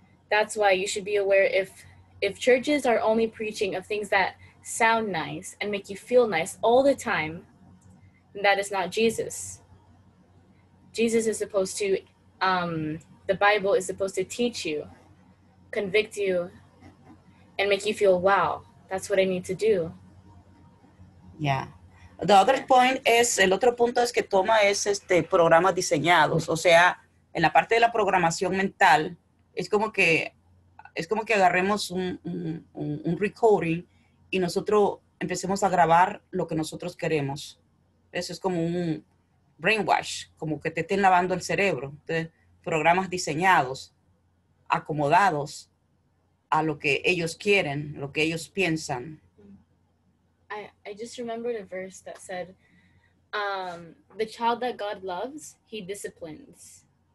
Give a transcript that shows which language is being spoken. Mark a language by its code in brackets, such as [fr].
[en] That's why you should be aware if churches are only preaching of things that sound nice and make you feel nice all the time, that is not Jesus. Jesus is supposed to, the Bible is supposed to teach you, convict you, and make you feel, wow, that's what I need to do. Yeah. The other point is, [es] el otro punto es que toma es este programas diseñados. O sea, en la parte de la programación mental, es como que agarremos un recording y nosotros empecemos a grabar lo que nosotros queremos. Eso es como un brainwash, como que te estén lavando el cerebro. Entonces, programas diseñados, acomodados a lo que ellos quieren, lo que ellos piensan. [en] I just remembered a verse that said, the child that God loves, he disciplines.